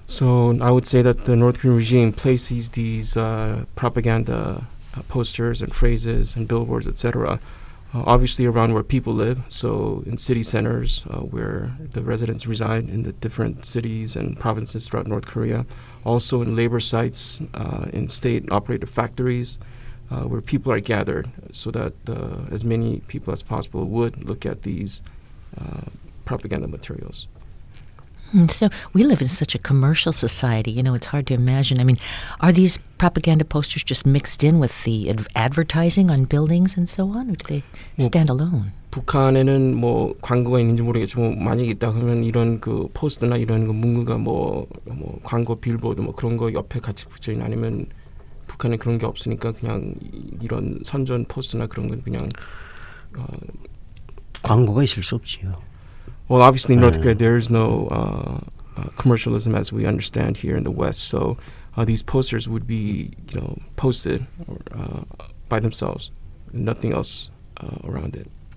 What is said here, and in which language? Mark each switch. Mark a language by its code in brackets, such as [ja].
[en] So I would say that the North Korean regime places these propaganda posters and phrases and billboards, etc., obviously around where people live, so in city centers where the residents reside in the different cities and provinces throughout North Korea, also in labor sites, in state-operated factories where people are gathered so that as many people as possible would look at these propaganda materials. So we live in such a commercial society, you know, it's hard to imagine. I mean, are these propaganda posters just mixed in with the advertising on buildings and so on, or do they stand alone? [ko] 북한에는 뭐 광고가 있는지 모르겠지만 만약에 있다 하면 이런 그 포스터나 이런 그 문구가 뭐 광고 빌보드 뭐 그런 거 옆에 같이 붙어 있나 아니면 북한에 그런 게 없으니까 그냥 이런 선전 포스터나 그런 건 그냥 광고가 있을 수 없지요. [en] Well, obviously, in North Korea, there is no commercialism as we understand here in the West. So these posters would be, you know, posted or, by themselves, nothing else around it.